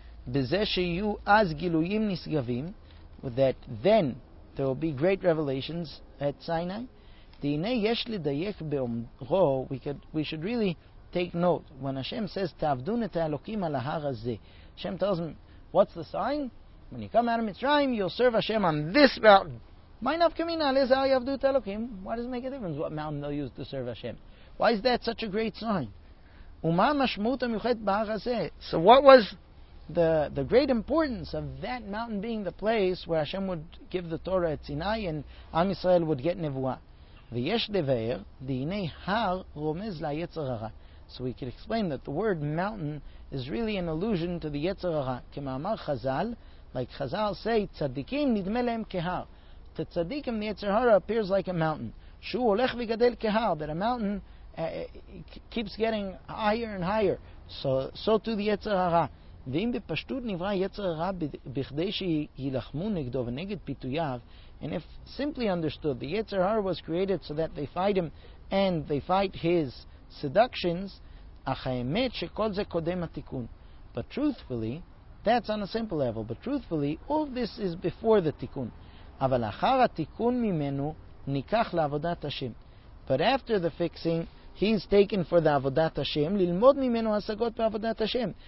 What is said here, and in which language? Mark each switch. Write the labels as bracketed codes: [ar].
[he] Bezeh sheyu az giluyim nisgavim, [en] that then there will be great revelations at Sinai. [he] דהנה יש לדייק באומרו, [en] we should really take note, when Hashem says, [he] תעבדון את האלוקים על ההר הזה, [en] Hashem tells him, what's the sign? When you come out of Mitzrayim, you'll serve Hashem on this mountain. [he] מי נפקמין על איזה יעבדו את האלוקים? [en] Why does it make a difference what mountain they'll use to serve Hashem? Why is that such a great sign? [he] ומה המשמעות המיוחד בהר הזה? [en] So what was the great importance of that mountain being the place where Hashem would give the Torah at Sinai and Am Yisrael would get Nevuah? [he] ויש לבאר, דהנה הר רומז ליצר הרע. [en] So we can explain that the word mountain is really an allusion to the יצר הרע. [he] כמאמר חזל, [en] like חזל say, [he] צדיקים נדמה להם כהר. [en] To צדיקים the יצר הרע appears like a mountain. [he] שהוא הולך וגדל כהר, [en] that a mountain keeps getting higher and higher. So too the יצר הרע. [he] ואם בפשטות נברא יצר הרע בכדי שילחמו נגדו ונגד פיתויו, [en] and if simply understood, the Yetzer Hara was created so that they fight him and they fight his seductions, [he] אך האמת שכל זה קודם התיקון. [en] But truthfully, that's on a simple level, but truthfully, all this is before the תיקון. [he] אבל אחר התיקון ממנו ניקח לעבודת השם. [en] But after the fixing, he's taken for the עבודת השם, [he] ללמוד ממנו השגות בעבודת השם.